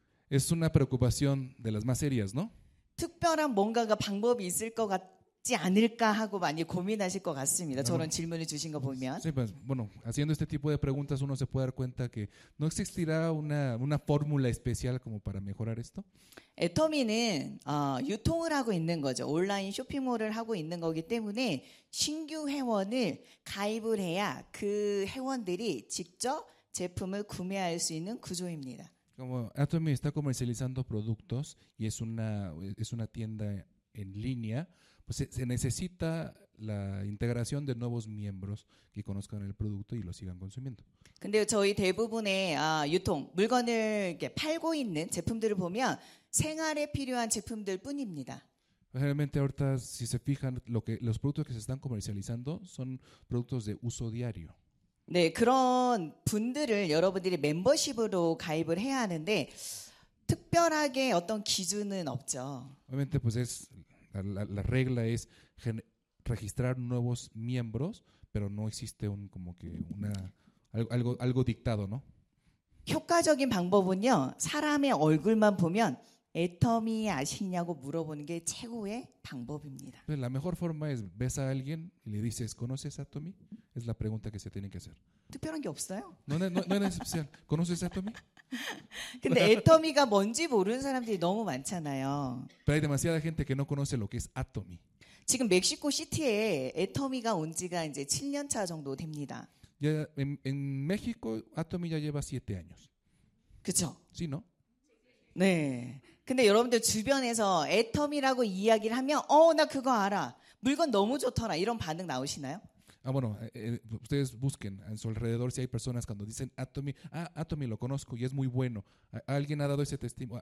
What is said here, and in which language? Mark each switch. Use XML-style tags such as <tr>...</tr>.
<es>Es una preocupación de las más serias, ¿no?</es> <ko>특별한 뭔가가 방법이 있을 것 같지 않을까 하고 많이 고민하실 것 같습니다. 저런 질문을 주신 거 보면.</ko> <es>Sí, pues, bueno, haciendo este tipo de preguntas uno se puede dar cuenta que no existirá una fórmula especial como para mejorar esto.</es> <ko>애터미는 유통을 하고 있는 거죠. 온라인 쇼핑몰을 하고 있는 거기 때문에 신규 회원을 가입을 해야 그 회원들이 직접 제품을 구매할 수 있는 구조입니다.</ko> <es>Como Atomy está comercializando productos y es una tienda en línea, pues se necesita la integración de nuevos miembros que conozcan el producto y lo sigan consumiendo.</es> <ko>근데 저희 대부분의 유통 물건을 이렇게 팔고 있는 제품들을 보면 생활에 필요한 제품들 뿐입니다.</ko> <es>Realmente ahorita si se fijan los productos que se están comercializando son productos de uso diario.</es> <ko>네, 그런 분들을 여러분들이 멤버십으로 가입을 해야 하는데 특별하게 어떤 기준은 없죠.</ko> <es>Obviamente pues es la regla es registrar nuevos miembros, pero no existe un como que una algo dictado, ¿no?</es> <ko>효과적인 방법은요. 사람의 얼굴만 보면 애터미 아시냐고 물어보는 게 최고의 방법입니다.</ko> <es>La mejor forma es ves a alguien y le dices ¿conoces a Tommy? Es la pregunta que se tiene que hacer.</es> <ko>특별한 게 없어요.</ko> <es>No es especial. ¿Conoces a Tommy?</es> <ko>근데 애터미가 뭔지 모르는 사람들이 너무 많잖아요.</ko> <es>Pero hay demasiada gente que no conoce lo que es Atomy.</es> <ko>지금 멕시코 시티에 애터미가 온 지가 이제 7년 차 정도 됩니다.</ko> <es>Ya en México Atomy ya lleva 7 años.</es> <ko>그렇죠?</ko> <es>Sí, ¿no?</es> <ko>네. 근데 여러분들 주변에서 애터미라고 이야기를 하면 나 그거 알아. 물건 너무 좋더라. 이런 반응 나오시나요?</ko> <es>Bueno, ustedes busquen en su alrededor si hay personas cuando dicen Atomy, Atomy lo conozco y es muy bueno. ¿Alguien ha dado ese testimonio?</es>